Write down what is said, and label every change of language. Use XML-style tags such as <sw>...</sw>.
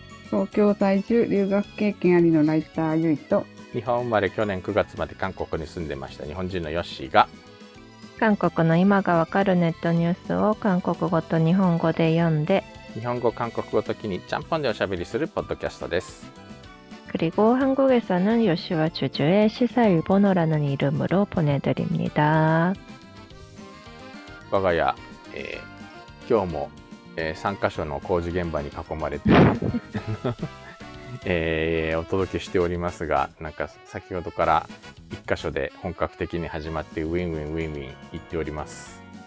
<ja>東京在住留学経験ありのライターゆいと、日本生まれ去年9月まで韓国に住んでました日本人のヨッシーが、韓国の今がわかるネットニュースを韓国語と日本語で読んで、日本語韓国語ときにちゃんぽんでおしゃべりするポッドキャストです。</ja> <ko>그리고한국에서는요시와주주의시사일본어라는이름으로보내드립니다。</ko> <ja>我が家、今日も3カ所の工事現場に囲まれて、お届けしておりますが、なんか先ほどから1カ所で本格的に始まってウィンウィンウィンウィン言っております。</ja>